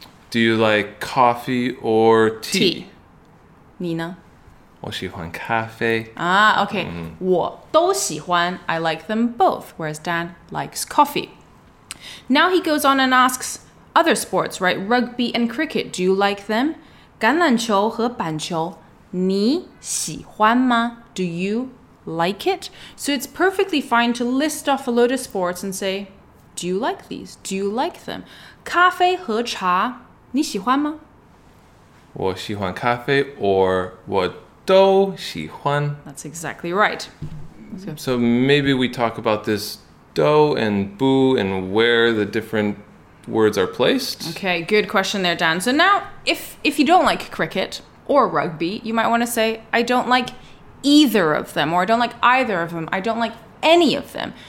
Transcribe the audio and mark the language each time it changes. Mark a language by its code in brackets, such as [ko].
[en] Do you like coffee or tea? [zh] 你呢？我喜欢咖啡。 [en] Ah, okay. [zh] 我都喜欢 [en] I like them both. Whereas Dan likes coffee. Now he goes on and asks other sports, right? Rugby and cricket. Do you like them? [zh] 橄榄球和板球你喜欢吗? [en] Do you like it? So it's perfectly fine to list off a load of sports and say, do you like these? Do you like them? [zh] 咖啡和茶你喜欢吗? 我喜欢咖啡 or 我都喜欢。 [en] That's exactly right. So maybe we talk about this do and bu and where the different words are placed. Okay, good question there, Dan. So now, if you don't like cricket or rugby, you might want to say, I don't like either of them, or I don't like either of them, I don't like any of them.